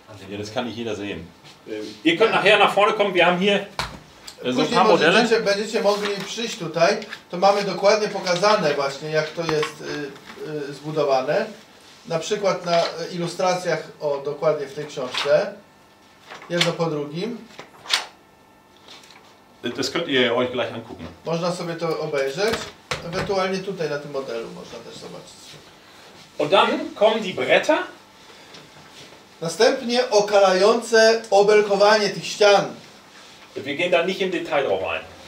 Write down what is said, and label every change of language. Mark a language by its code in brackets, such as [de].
[de] Ja, das kann nicht jeder sehen. Ihr könnt nachher nach vorne kommen, wir haben hier so ein paar Modelle. [pl] Będziecie mogli przyjść tutaj, to mamy dokładnie pokazane właśnie, jak to jest zbudowane. Na przykład na ilustracjach, o, dokładnie w tej książce. Jedno po drugim. [de] Das könnt ihr euch gleich angucken. [pl] Można sobie to obejrzeć. Ewentualnie tutaj na tym modelu można też zobaczyć. [de] Und dann kommen die Bretter. [pl] Następnie okalające obelkowanie tych ścian. [de] Wir gehen da nicht im Detail drauf ein.